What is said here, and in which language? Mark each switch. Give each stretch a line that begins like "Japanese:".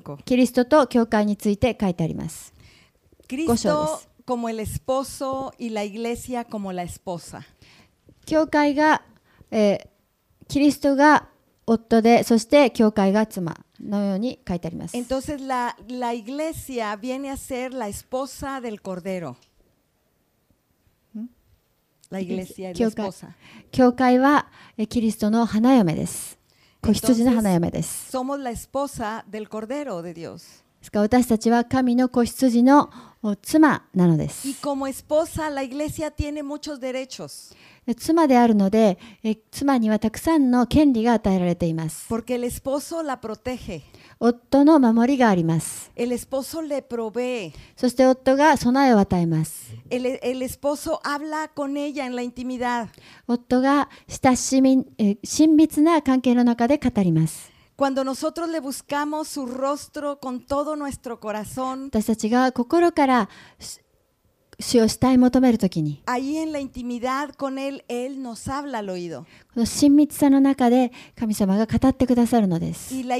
Japanese: キリストと教会について書いてあります。
Spanish: キリストcomo el esposo y la iglesia como la esposa。
Japanese: 教会が、キリストが夫で、そして教会が妻のように書いてあります。
Spanish: Entonces la iglesia viene a ser la esposa del cordero。 La iglesia, la esposa.
Japanese: 教会はキリストの花嫁です。子羊の花嫁です。
Spanish: Somos la esposa del cordero de Dios.
Japanese: ですから私たちは神の子羊の妻なのです。
Spanish: Y como esposa, la iglesia tiene muchos derechos.
Japanese: 妻であるので、妻にはたくさんの権利が与えられています。
Spanish: Porque el esposo la protege.
Japanese: 夫の守りがあります。
Spanish: El esposo le provee.
Japanese: そして夫が備えを与えます。
Spanish: El esposo habla con ella en la intimidad.
Japanese: 夫が親密な関係の中で語ります。
Spanish: Cuando nosotros le buscamos su rostro con todo nuestro corazón,
Japanese: 私たちが心から主を慕い求めるときに、
Spanish: ahí en la intimidad con él nos habla al oído.
Japanese: 親密さの中で神様が語ってくださるのです。